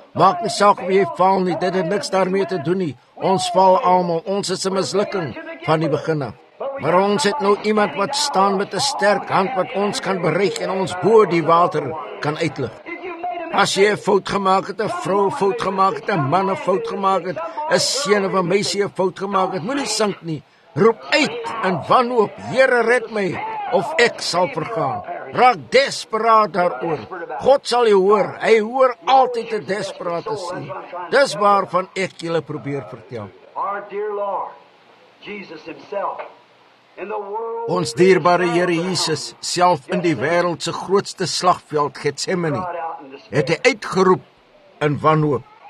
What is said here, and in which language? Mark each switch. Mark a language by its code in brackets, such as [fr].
[af] Maak nie saak of jy val nie, dit het niks daarmee te doen nie. Ons val allemaal, ons is een mislukking van die begin af. Maar ons het nou iemand wat staan met 'n sterk hand wat ons kan bereik en ons bo die water kan uitlig. As jy 'n fout gemaak het, 'n vrou fout gemaak het, 'n man 'n fout gemaak het, 'n seun of 'n meisie 'n fout gemaak het, moenie sink nie. Roep uit in wanhoop, Here red my of ek sal vergaan. Raak desperaat daaroor. God sal jy hoor. Hy hoor altyd 'n desperate siel. Dis waarvan ek julle probeer vertel. [en] Our dear Lord, Jesus himself. [af] Ons dierbare Here Jesus self in die wêreld se grootste slagveld Getsemane het hy uitgeroep in wanhoop.